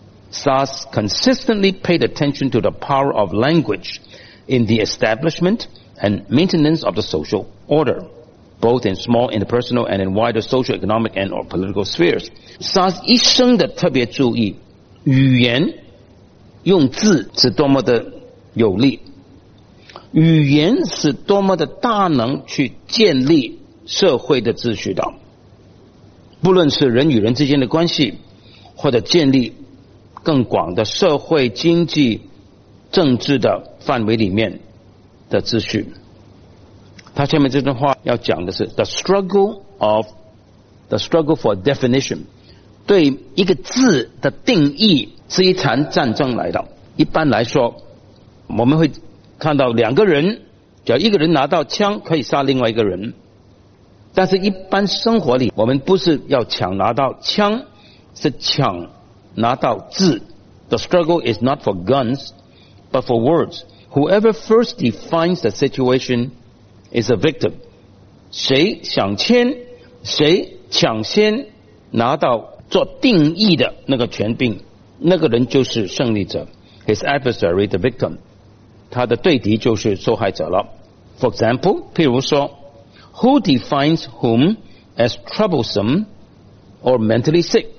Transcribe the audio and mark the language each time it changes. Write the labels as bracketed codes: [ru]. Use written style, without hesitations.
[en] SARS consistently paid attention to the power of language in the establishment and maintenance of the social order, both in small interpersonal and in wider social, economic, and or political spheres. SARS [zh] 一生的特别注意语言用字是多么的有力，语言是多么的大能去建立社会的秩序的，不论是人与人之间的关系，或者建立更广的社会经济政治的范围里面的秩序。他下面这段话要讲的是 [en] the struggle for definition， [zh] 对一个字的定义是一场战争来的。一般来说我们会看到两个人，只要一个人拿到枪可以杀另外一个人，但是一般生活里我们不是要抢拿到枪，是抢拿到字。 [en] The struggle is not for guns but for words. Whoever first defines the situation is a victim. [zh] 谁想签，谁抢先拿到做定义的那个权柄，那个人就是胜利者。 [en] His adversary the victim， [zh] 他的对敌就是受害者了。 [en] For example， [zh] 譬如说， [en] Who defines whom as troublesome or mentally sick？